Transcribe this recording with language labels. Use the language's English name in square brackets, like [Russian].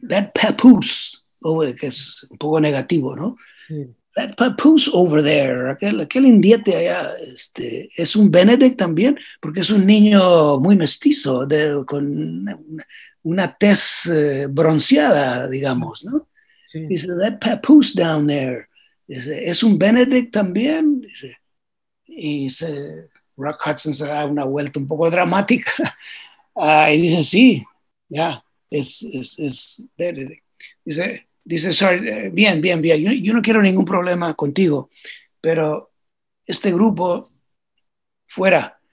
[English] That papoose, [Spanish] que es un poco negativo, ¿no? Sí. [English] That papoose over there, [Spanish] aquel indiete allá, ¿es un Benedict también? Porque es un niño muy mestizo, con una tez bronceada, digamos, ¿no? Sí. [English] Dice, that papoose down there. [Spanish] Dice, ¿es un Benedict también? Dice, y dice, Rock Hudson se da una vuelta un poco dramática. Y dice, sí, ya, yeah, es Benedict. Dice, sorry, bien, yo no quiero ningún problema contigo, pero este grupo, fuera.